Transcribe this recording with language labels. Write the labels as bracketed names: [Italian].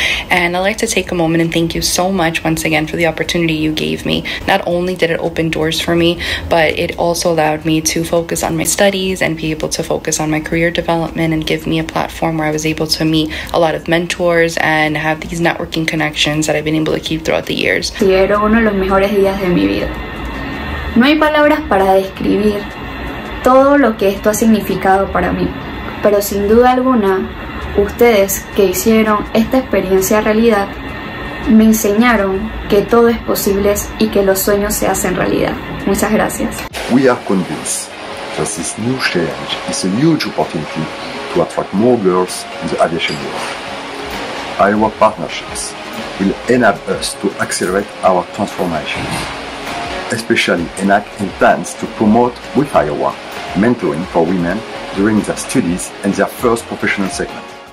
[English] And I'd like to take a moment and thank you so much once again for the opportunity you gave me. Not only did it open doors for me, but it also allowed me to focus on my studies and be able to focus on my career development and give me a platform where I was able to meet a lot of mentors and have these networking connections that I've been able to keep throughout the years. [Spanish] Sí, era uno de los mejores días de mi vida. No hay palabras para describir todo lo que esto ha significado para mí, pero sin duda alguna, ustedes que hicieron esta experiencia realidad me enseñaron que todo es posible y que los sueños se hacen realidad. Muchas gracias. [English] We are convinced that this new challenge is a huge opportunity to attract more girls in the aviation world. IAWA partnerships will enable us to accelerate our transformation, especially ENAC intends to promote with IAWA mentoring for women during their studies and their first professional segment.